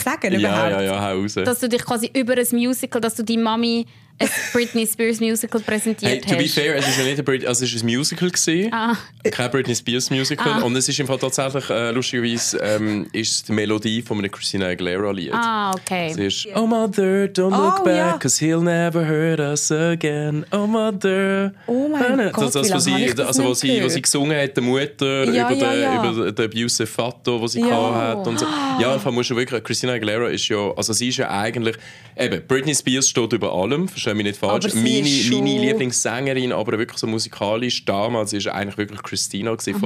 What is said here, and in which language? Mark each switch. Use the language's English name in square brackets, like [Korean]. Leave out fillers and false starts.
[German] sagen, überhaupt? Ja, hau raus. Dass du dich quasi über ein Musical, dass du deine Mami ein Britney Spears Musical präsentiert hast. [English] Hey, to be fair, [German] es ist ein Musical gewesen. Ah. Kein Britney Spears Musical. Ah. Und es ist im Fall tatsächlich, lustigerweise, ist die Melodie von einem Christina Aguilera-Lied. Ah, okay. Es ist, [English] oh mother, don't look back, cause he'll never hurt us again. Oh mother. [German] Oh mein Gott, das, wie lange habe ich das nicht gehört? Was sie gesungen hat, der Mutter, über den abusive Vater, den sie gehabt hat. Und so. Ja, im Fall musst du wirklich, Christina Aguilera ist ja, also sie ist ja eigentlich, eben, Britney Spears steht über allem, verstehe mich nicht falsch. Meine Lieblingssängerin, aber wirklich so musikalisch damals, ist eigentlich wirklich Christina gewesen. Mhm.